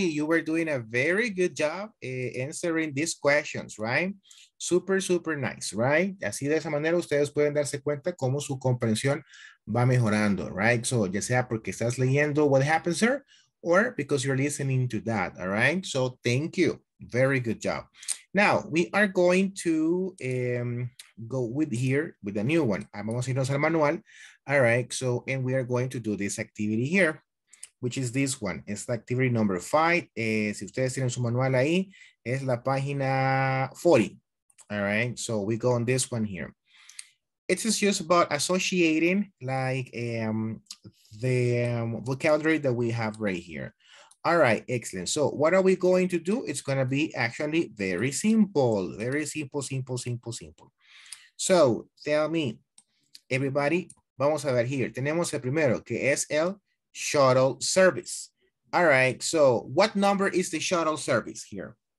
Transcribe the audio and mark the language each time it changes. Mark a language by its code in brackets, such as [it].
[en] You were doing a very good job answering these questions, right? Super, super nice, right? [es] Así de esa manera ustedes pueden darse cuenta cómo su comprensión va mejorando, right? [en] So [es] ya sea porque estás leyendo [en] what happens there or because you're listening to that, all right? So thank you. Very good job. Now, we are going to go with here with a new one. [es] Vamos a irnos al manual. [en] All right. So, and we are going to do this activity here, which is this one. It's the activity number 5. [es] Si ustedes tienen su manual ahí, es la página 40. [en] All right. So, we go on this one here. It is just about associating like the vocabulary that we have right here. All right, excellent. So what are we going to do? It's going to be actually very simple. Very simple, simple, simple, simple. So tell me, everybody, [es] vamos a ver [en] here. [es] Tenemos el primero, que es el shuttle service. [en] All right, so what number is the shuttle service here?